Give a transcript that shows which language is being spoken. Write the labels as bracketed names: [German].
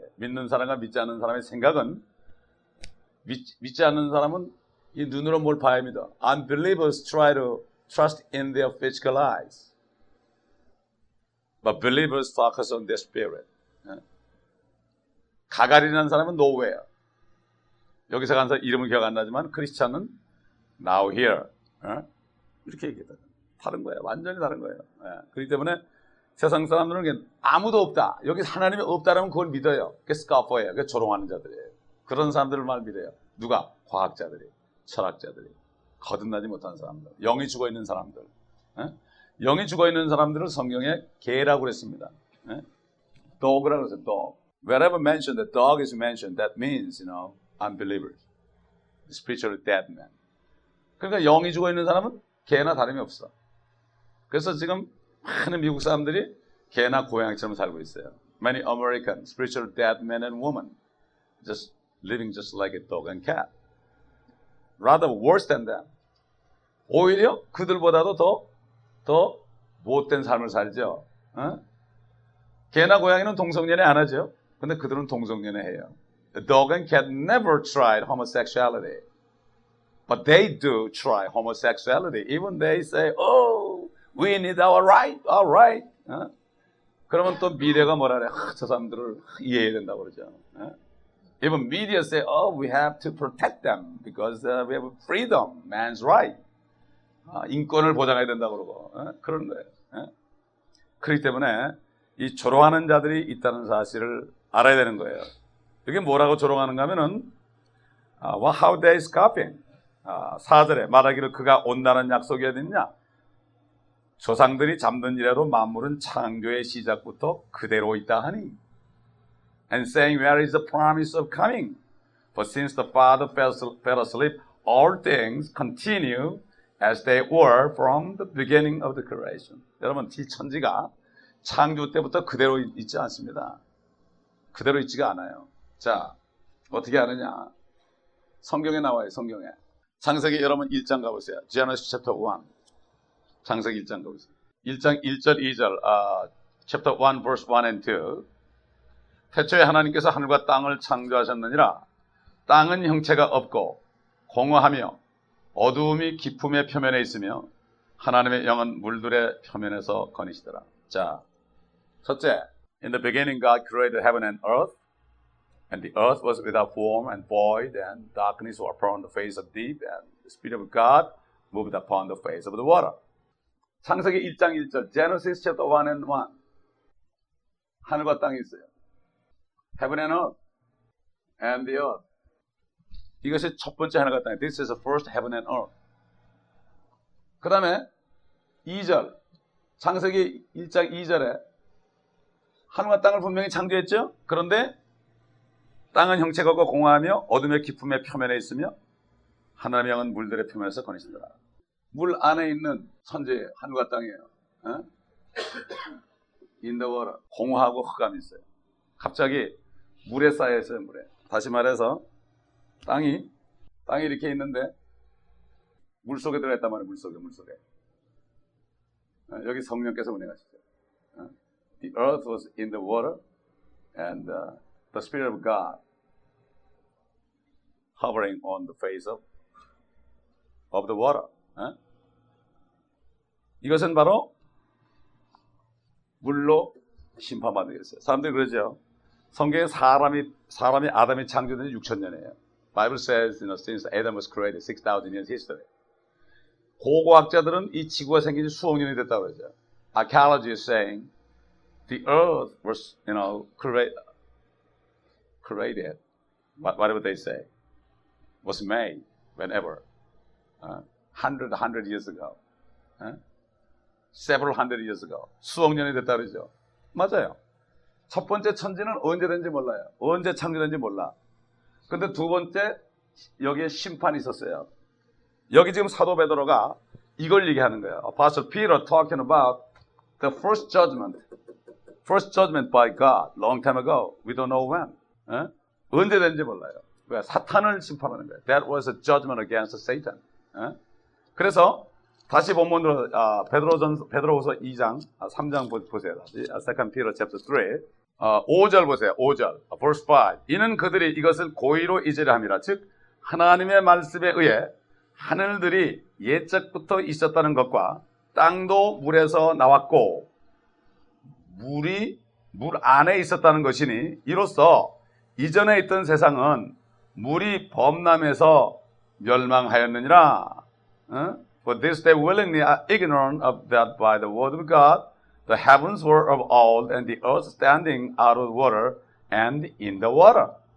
[Korean] 믿는 사람과 믿지 않는 사람의 생각은 믿지 않는 사람은 이 눈으로 뭘 봐야 합니다. [English] Unbelievers try to trust in their physical eyes. But believers focus on their spirit. [Korean] 가갈이라는 사람은 nowhere. 여기서 간 사람 이름은 기억 안 나지만 크리스찬은 [English] now here. [Korean] 이렇게 얘기했다. 다른 거예요. 완전히 다른 거예요. 그렇기 때문에 세상 사람들은 아무도 없다. 여기 하나님이 없다라면 그걸 믿어요. 그게 스카퍼예요. 그게 조롱하는 자들이에요. 그런 사람들을 말 믿어요. 누가? 과학자들이, 철학자들이, 거듭나지 못한 사람들, 영이 죽어있는 사람들. 영이 죽어있는 사람들을 성경에 개라고 그랬습니다. Dog라고 그랬어요. Dog. [English] Wherever mentioned, the dog is mentioned, that means, you know, unbelievers. Spiritually dead man. [Korean] 그러니까 영이 죽어있는 사람은 개나 다름이 없어. 그래서 지금 많은 미국 사람들이 개나 고양이처럼 살고 있어요. [English] Many American spiritual dead men and women just living just like a dog and cat. Rather worse than that. [Korean] 오히려 그들보다도 더 못된 삶을 살죠. 개나 고양이는 동성연애 안 하죠. 근데 그들은 동성연애 해요. [English] A dog and cat never tried homosexuality. But they do try homosexuality. Even they say, oh, we need our right, our right. [Korean] 그러면 또 미디어가 뭐라 그래? 저 사람들을 이해해야 된다고 그러죠. [English] Even media say, oh, we have to protect them because we have freedom, man's right. [Korean] 인권을 보장해야 된다고 그러고. 그런 거예요. 그렇기 때문에 이 조롱하는 자들이 있다는 사실을 알아야 되는 거예요. 이게 뭐라고 조롱하는가 하면은, [English] well, how they scoffing. [Korean] 4절에 말하기를 그가 온다는 약속이 어딨냐? 조상들이 잠든 이래로 만물은 창조의 시작부터 그대로 있다 하니. [English] And saying, where is the promise of coming? For since the Father fell asleep, all things continue as they were from the beginning of the creation. [Korean] 여러분, 이 천지가 창조 때부터 그대로 있지 않습니다. 그대로 있지가 않아요. 자, 어떻게 아느냐? 성경에 나와요, 성경에. 창세기 여러분 1장 가보세요. [English] Genesis chapter 1. [Korean] 창세기 1장 가보세요. 1장 1절, 2절. [English] Chapter 1, verse 1 and 2. [Korean] 태초에 하나님께서 하늘과 땅을 창조하셨느니라. 땅은 형체가 없고 공허하며 어두움이 깊음의 표면에 있으며 하나님의 영은 물들의 표면에서 거니시더라. 자, 첫째. [English] In the beginning God created heaven and earth. And the earth was without form and void, and darkness was upon the face of deep, and the Spirit of God moved upon the face of the water. [Korean] 창세기 1장 1절, [English] Genesis chapter 1 and 1. [Korean] 하늘과 땅이 있어요. [English] Heaven and earth. And the earth. [Korean] 이것이 첫 번째 하늘과 땅이에요. [English] This is the first heaven and earth. [Korean] 그 다음에 2절, 창세기 1장 2절에 하늘과 땅을 분명히 창조했죠? 그런데 땅은 형체가 없고 공허하며 어둠의 깊음의 표면에 있으며 하나님의 영은 물들의 표면에서 거니시더라. 물 안에 있는 천지 하늘과 땅이에요. [English] In the water. [Korean] 공허하고 흑암이 있어요. 갑자기 물에 쌓여 있어요. 물에. 다시 말해서 땅이 이렇게 있는데 물 속에 들어갔단 말이에요. 물 속에. 여기 성령께서 운행하시죠. [English] The earth was in the water and the Spirit of God hovering on the face of the water. [Korean] 이것은 바로 물로 심판받는 것이에요. 사람들이 그러죠. 성경에 사람이 아담이 창조된 지 6천년이에요. [English] Bible says, you know, since Adam was created, 6,000 years history. [Korean] 고고학자들은 이 지구가 생긴 지 수억 년이 됐다고 그러죠. [English] Archaeology is saying the earth was, you know, created, whatever they say, was made whenever, 100 years ago, several hundred years ago, [Korean] 수억 년이 됐다 그러죠. 맞아요. 첫 번째 천지는 언제 된지 몰라요. 언제 창조된지 몰라. 근데 두 번째, 여기에 심판이 있었어요. 여기 지금 사도 베드로가 이걸 얘기하는 거예요. [English] Apostle Peter talking about the first judgment. First judgment by God, long time ago, we don't know when. [Korean] 언제 된지 몰라요. 왜? 사탄을 심판하는 거예요. [English] That was a judgment against Satan. [Korean] 그래서 다시 본문으로 베드로후서 2장 3장 보세요. [English] 2 Peter chapter 3. [Korean] 5절 보세요. 5절. [English] Verse 5. [Korean] 이는 그들이 이것을 고의로 잊으려 함이라. 즉 하나님의 말씀에 의해 하늘들이 옛적부터 있었다는 것과 땅도 물에서 나왔고 물이 물 안에 있었다는 것이니 이로써 이전에 있던 세상은 물이 범람해서 멸망하였느니라. [English] For this they willingly are ignorant of that by the word of God, the heavens were of old, and the earth standing out of water and in the water.